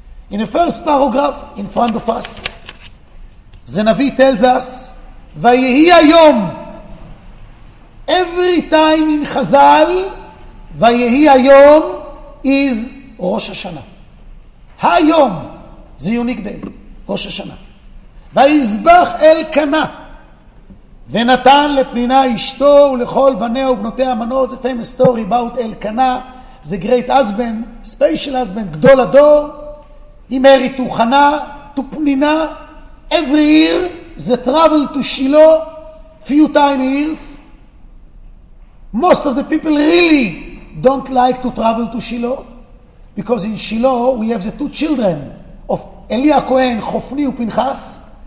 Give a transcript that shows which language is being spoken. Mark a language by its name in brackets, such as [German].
[English] In the first paragraph, in front of us, the Navi tells us, [Hebrew] Vayehi Hayom, [English] every time in Chazal, [Hebrew] Vayehi Hayom [English] is Rosh Hashanah. Hayom is a unique day, Rosh Hashanah. [Hebrew] Vayizbach Elkanah, ונתן לפנינה אשתו ולכל בניה ובנותיה מנות. [English] זה famous story about אלקנה, זה great husband, special husband, גדול הדור. He married to חנה, to פנינה. Every year, the travel to Shiloh, few time years. Most of the people really don't like to travel to Shiloh, because in Shiloh we have the two children of אליה כהן, חופני ופנחס.